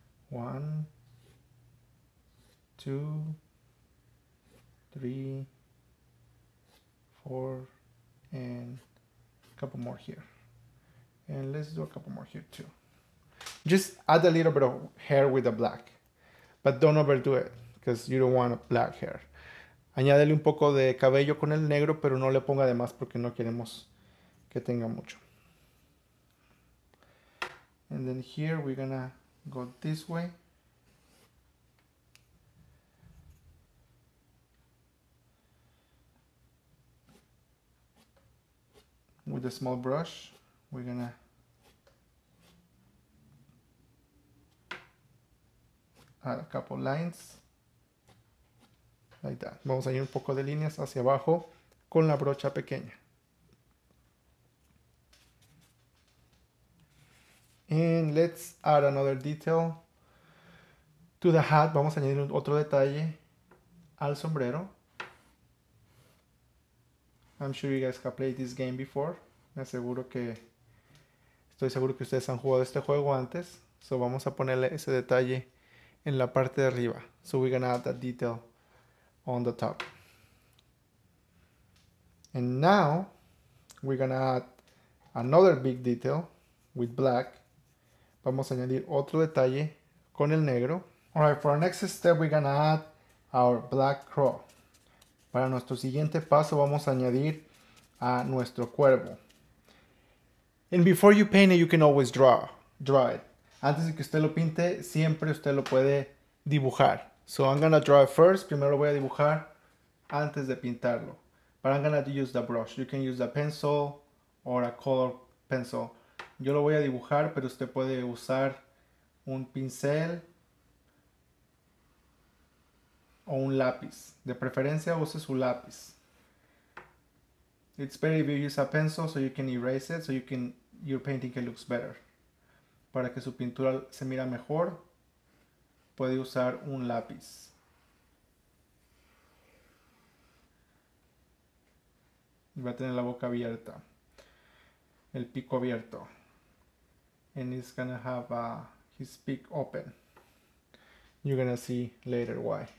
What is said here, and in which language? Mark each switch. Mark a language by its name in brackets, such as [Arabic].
[English] One, two, three, four, and a couple more here. And let's do a couple more here too. Just add a little bit of hair with the black, but don't overdo it, because you don't want a black hair. [Spanish] Añádele un poco de cabello con el negro, pero no le ponga de más porque no queremos que tenga mucho. [English] And then here we're gonna go this way. With a small brush, we're gonna add a couple lines like that. [Spanish] Vamos a ir un poco de líneas hacia abajo con la brocha pequeña. [English] And let's add another detail to the hat. [Spanish] Vamos a añadir otro detalle al sombrero. [English] I'm sure you guys have played this game before. [Spanish] Estoy seguro que ustedes han jugado este juego antes. So vamos a ponerle ese detalle en la parte de arriba. [English] So we're gonna add that detail on the top. And now we're gonna add another big detail with black. [Spanish] Vamos a añadir otro detalle con el negro. [English] Alright, for our next step we're gonna add our black crow. [Spanish] Para nuestro siguiente paso vamos a añadir a nuestro cuervo. [English] And before you paint it, you can always draw it. [Spanish] Antes de que usted lo pinte, siempre usted lo puede dibujar. [English] So I'm gonna draw it first. [Spanish] Primero voy a dibujar antes de pintarlo. [English] But I'm gonna use the brush. You can use a pencil or a color pencil. [Spanish] Yo lo voy a dibujar, pero usted puede usar un pincel o un lápiz. De preferencia, use su lápiz. [English] It's better if you use a pencil so you can erase it, so you can your painting can looks better. [Spanish] Para que su pintura se mira mejor, puede usar un lápiz. Va a tener la boca abierta, el pico abierto. [English] And he's gonna have his beak open. You're gonna see later why.